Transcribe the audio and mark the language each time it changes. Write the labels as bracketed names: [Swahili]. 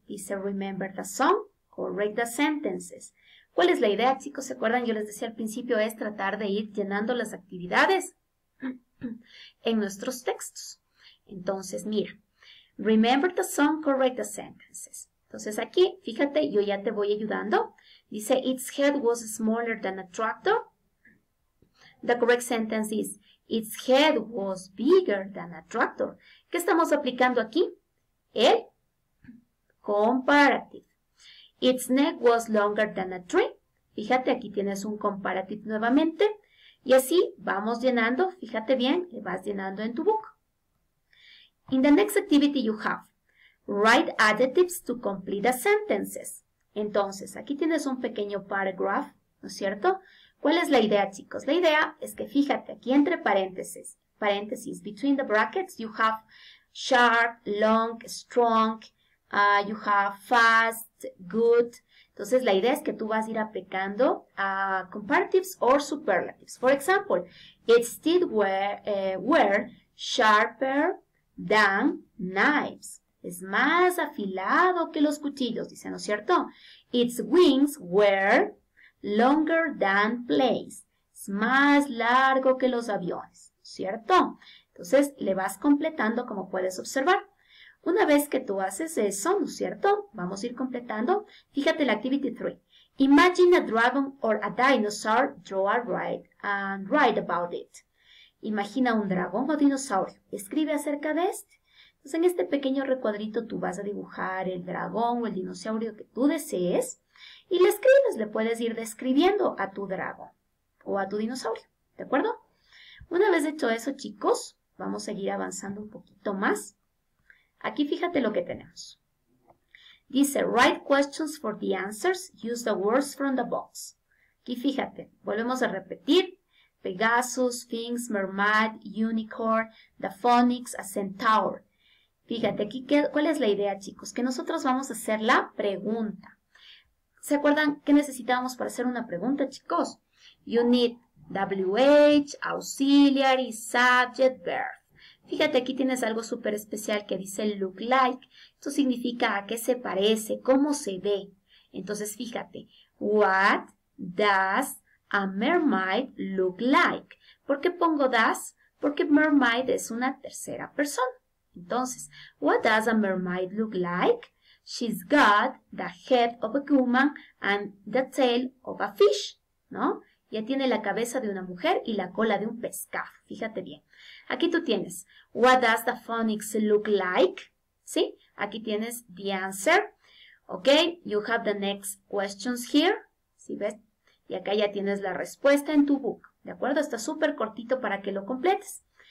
[Spanish] Dice, [English] remember the song. Correct the sentences. [Spanish] ¿Cuál es la idea, chicos? ¿Se acuerdan? Yo les decía al principio, es tratar de ir llenando las actividades en nuestros textos. Entonces, mira. [English] Remember the song, correct the sentences. [Spanish] Entonces, aquí, fíjate, yo ya te voy ayudando. [English] Dice, its head was smaller than a tractor. The correct sentence is, its head was bigger than a tractor. [Spanish] ¿Qué estamos aplicando aquí? El comparative. [English] Its neck was longer than a tree. [Spanish] Fíjate, aquí tienes un comparative nuevamente. Y así vamos llenando, fíjate bien, le vas llenando en tu book. [English] In the next activity you have, write adjectives to complete the sentences. [Spanish] Entonces, aquí tienes un pequeño paragraph, ¿no es cierto? ¿Cuál es la idea, chicos? La idea es que fíjate, aquí entre paréntesis, [English] between the brackets, you have sharp, long, strong, you have fast, good. [Spanish] Entonces, la idea es que tú vas a ir aplicando comparatives or superlatives. [English] For example, its teeth were sharper than knives. [Spanish] Es más afilado que los cuchillos, dice, ¿no es cierto? [English] Its wings were longer than planes. [Spanish] Es más largo que los aviones, ¿cierto? Entonces, le vas completando como puedes observar. Una vez que tú haces eso, ¿no es cierto? Vamos a ir completando. Fíjate la activity 3. [English] Imagine a dragon or a dinosaur, draw a ride and write about it. [Spanish] Imagina un dragón o dinosaurio. Escribe acerca de este. Entonces, en este pequeño recuadrito tú vas a dibujar el dragón o el dinosaurio que tú desees y le escribes, le puedes ir describiendo a tu dragón o a tu dinosaurio, ¿de acuerdo? Una vez hecho eso, chicos, vamos a seguir avanzando un poquito más. Aquí fíjate lo que tenemos. [English] Dice, write questions for the answers, use the words from the box. [Spanish] Aquí fíjate, volvemos a repetir. Pegasus, Sphinx, Mermaid, Unicorn, the Phoenix, a Centaur. Fíjate aquí, ¿cuál es la idea, chicos? Que nosotros vamos a hacer la pregunta. ¿Se acuerdan qué necesitábamos para hacer una pregunta, chicos? [English] You need WH, auxiliary, subject, verb. [Spanish] Fíjate, aquí tienes algo súper especial que dice look like. Esto significa a qué se parece, cómo se ve. Entonces, fíjate, [English] what does a mermaid look like? [Spanish] ¿Por qué pongo does? Porque mermaid es una tercera persona. [English] Entonces, what does a mermaid look like? She's got the head of a human and the tail of a fish, ¿no? [Spanish] Ya tiene la cabeza de una mujer y la cola de un pescado. Fíjate bien. Aquí tú tienes, [English] what does the phoenix look like? ¿Sí? [Spanish] Aquí tienes [English] the answer. Ok, you have the next questions here. [Spanish] ¿Sí ves? Y acá ya tienes la respuesta en tu book. ¿De acuerdo? Está súper cortito para que lo completes.